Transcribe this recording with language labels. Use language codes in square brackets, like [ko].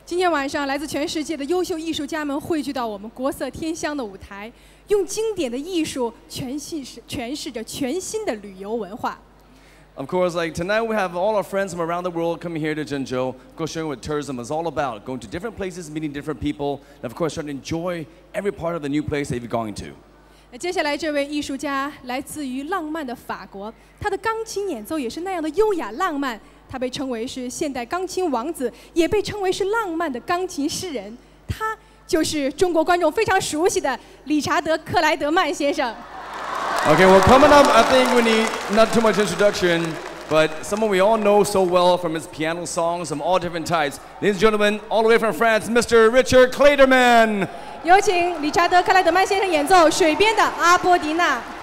[zh] 晚上来自全世界的优秀艺术家们汇聚到我们国色天香的舞台，用经典的艺术诠释着全新的旅游文化。 [en] Of course, like tonight, we have all our friends from around the world coming here to Zhengzhou, go sharing what tourism is all about, going to different places, meeting different people, and of course, trying to enjoy every part of the new place that you're going to. [zh] 接下来这位艺术家来自于浪漫的法国，他的钢琴演奏也是那样的优雅浪漫。他被称为是现代钢琴王子，也被称为是浪漫的钢琴诗人。他就是中国观众非常熟悉的理查德·克莱德曼先生。 [en] Okay, well, coming up, I think we need not too much introduction, but someone we all know so well from his piano songs from all different types. Ladies and gentlemen, all the way from France, Mr. Richard Clayderman. [zh] 有请理查德·克莱德曼先生演奏《水边的阿波迪娜》。